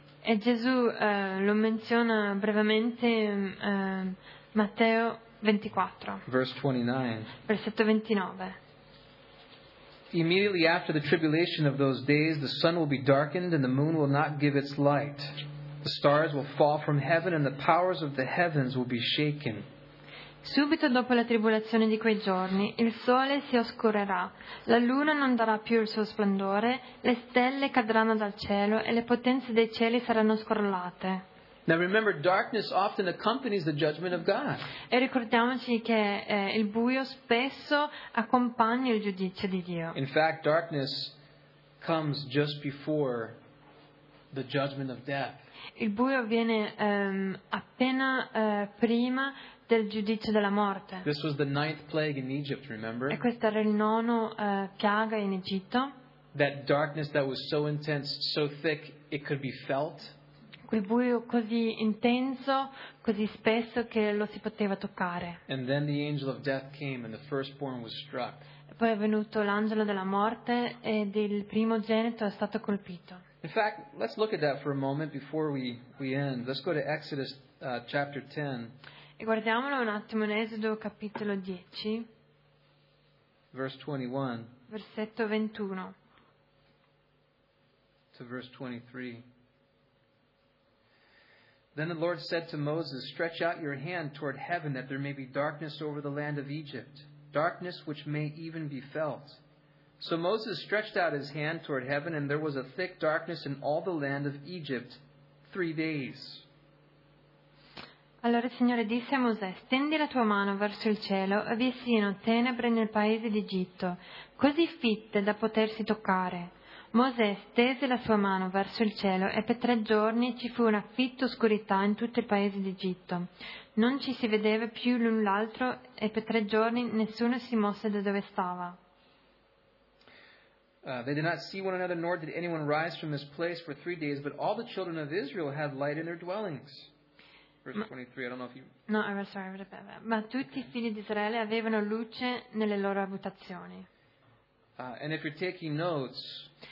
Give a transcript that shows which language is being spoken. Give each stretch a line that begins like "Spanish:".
Italian: E Gesù lo menziona brevemente Matteo 24.
English: Verse 29.
Italian: Versetto 29.
English: Immediately after the tribulation of those days, the sun will be darkened and the moon will not give its light. The stars will fall from heaven and the powers of the heavens will be shaken.
Italian: Subito dopo la tribolazione di quei giorni, il sole si oscurerà, la luna non darà più il suo splendore, le stelle cadranno dal cielo e le potenze dei cieli saranno scrollate.
English: Now remember, darkness often accompanies the judgment of God.
Italian: E ricordiamoci che il buio spesso accompagna il giudizio di Dio.
English: In fact, darkness comes just before the judgment of death.
Italian: Il buio avviene appena prima del giudizio della morte.
English: This was the ninth plague in Egypt, remember?
Italian: E questo era il nono piaga in Egitto.
English: That darkness that was so intense, so thick, it could be felt.
Italian: Quel buio così intenso, così spesso che lo si poteva toccare.
English: And then the angel of death came and the firstborn was struck.
Italian: Poi è venuto l'angelo della morte ed il primogenito è stato colpito.
English: In fact, let's look at that for a moment before we end. Let's go to Exodus chapter 10.
Italian: E guardiamolo un attimo in Esodo capitolo 10.
English: Verse 21.
Italian: Versetto 21.
English: To verse 23. Then the Lord said to Moses, "Stretch out your hand toward heaven that there may be darkness over the land of Egypt, darkness which may even be felt." So Moses stretched out his hand toward heaven, and there was a thick darkness in all the land of Egypt 3 days.
Italian: Allora il Signore disse a Mosè, stendi la tua mano verso il cielo, e vi siano tenebre nel paese d'Egitto, così fitte da potersi toccare. Mosè stese la sua mano verso il cielo, e per 3 giorni ci fu una fitta oscurità in tutto il paese d'Egitto. Non ci si vedeva più l'un l'altro, e per 3 giorni nessuno si mosse da dove stava.
English: They did not see one another, nor did anyone rise from this place for 3 days, but all the children of Israel had light in their dwellings. Verse 23, I don't know if you... No, I'm sorry, I read it better.
Italian: Ma tutti I figli di Israele avevano luce nelle loro abitazioni.
English: And if you're taking notes...